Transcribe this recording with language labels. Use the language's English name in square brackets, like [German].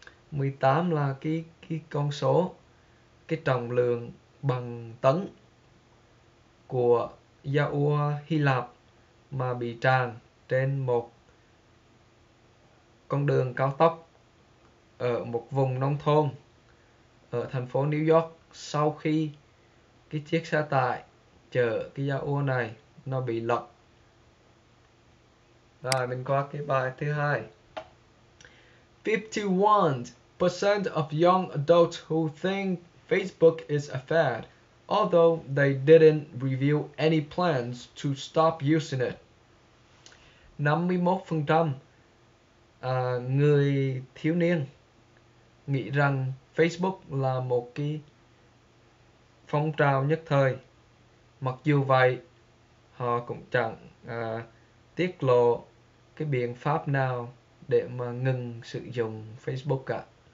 [Vietnamese] 18 là cái con số, cái trọng lượng bằng tấn của Yahoo Hy Lạp mà bị tràn trên một con đường cao tốc ở một vùng nông thôn ở thành phố New York sau khi cái chiếc xe tải chở cái Yahoo này nó bị lật. Rồi mình qua cái bài thứ hai. [English] 51% of young adults who think Facebook is a fad, although they didn't reveal any plans to stop using it. [Vietnamese] 51% người thiếu niên nghĩ rằng Facebook là một cái phong trào nhất thời. Mặc dù vậy, họ cũng chẳng tiết lộ cái biện pháp nào để mà ngừng sử dụng Facebook cả.